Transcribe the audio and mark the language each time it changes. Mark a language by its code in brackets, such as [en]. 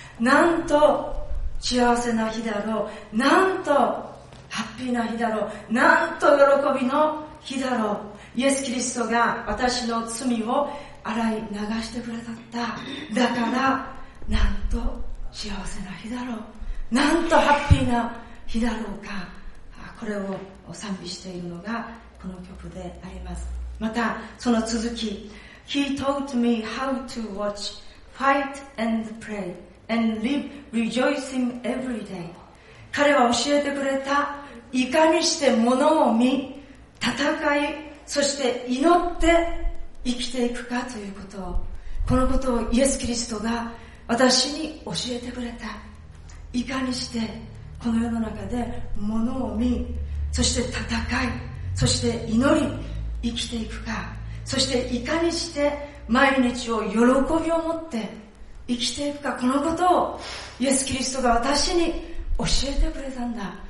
[ja] なんと幸せな日だろう、なんとハッピーな日だろう、なんと喜びの日だろう、イエス・キリストが私の罪を洗い流してくれたった。だから、なんと幸せな日だろう。なんとハッピーな日だろうか。これを賛美しているのがこの曲であります。また、その続き。 [en] He taught me how to watch, fight and pray, and live rejoicing every day. [ja] 彼は教えてくれた、いかにして物を見、戦い、そして祈って生きていくかということを、このことをイエス・キリストが私に教えてくれた。いかにしてこの世の中で物を見、そして戦い、そして祈り生きていくか、そしていかにして毎日を喜びを持って生きていくか、このことをイエス・キリストが私に教えてくれたんだ。